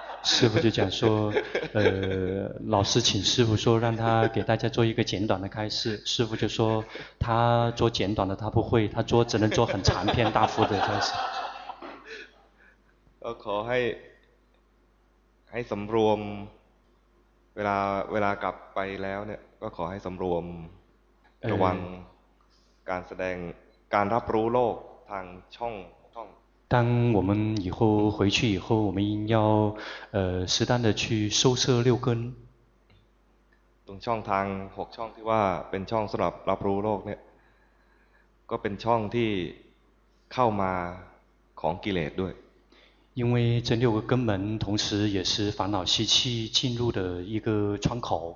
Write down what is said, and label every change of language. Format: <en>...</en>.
<zh>师父就讲说老师请师父说让他给大家做一个简短的开示师父就说他做简短的他不会他做只能做很长篇大幅的开示</zh> <th>我ขอให้สำรวมเวลากลับไปแล้วเนี่ยก็ขอให้สำรวมระวังการแสดงการรับรู้โลกทางช่อง</th> <zh>当我们以后回去以后我们应要适当的去收摄六根</zh> <th>ตรงช่องทาง6ช่องที่ว่าเป็นช่องสําหรับรับรู้โลกเนี่ยก็เป็นช่องที่เข้ามาของกิเลสด้วย</th> <zh>因为这六个根门同时也是烦恼习气进入的一个窗口</zh>